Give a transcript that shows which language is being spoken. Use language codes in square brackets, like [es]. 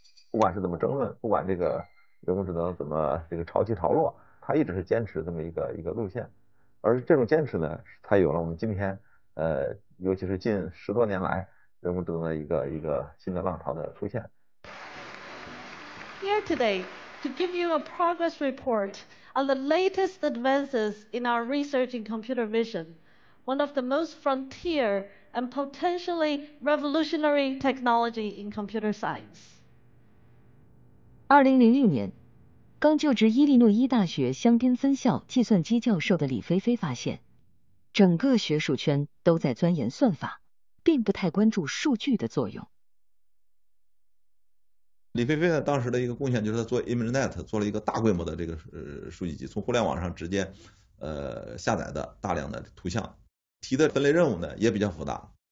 [zh] 不管是怎么争论，不管这个人工智能怎么这个潮起潮落，它一直是坚持这么一个路线，而这种坚持呢，才有了我们今天尤其是近10多年来人工智能的一个新的浪潮的出现。 [en] Here today to give you a progress report on the latest advances in our research in computer vision, one of the most frontier and potentially revolutionary technology in computer science. [zh] 2006年，刚就职伊利诺伊大学香槟分校计算机教授的李飞飞发现，整个学术圈都在钻研算法，并不太关注数据的作用。李飞飞当时的一个贡献就是他做 ImageNet 做了一个大规模的这个数据集，从互联网上直接下载的大量的图像，提的分类任务呢也比较复杂。